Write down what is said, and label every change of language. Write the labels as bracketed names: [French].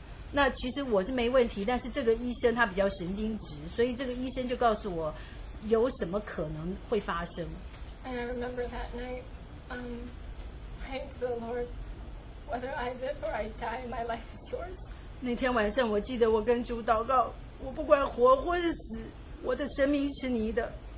[Chinese] 那其实我是没问题，但是这个医生他比较神经质，所以这个医生就告诉我有什么可能会发生。 [English] And I remember that night, praying to the Lord, whether I live or I die, my life is yours. [Chinese] 那天晚上我记得我跟主祷告，我不管活或是死，我的生命是你的。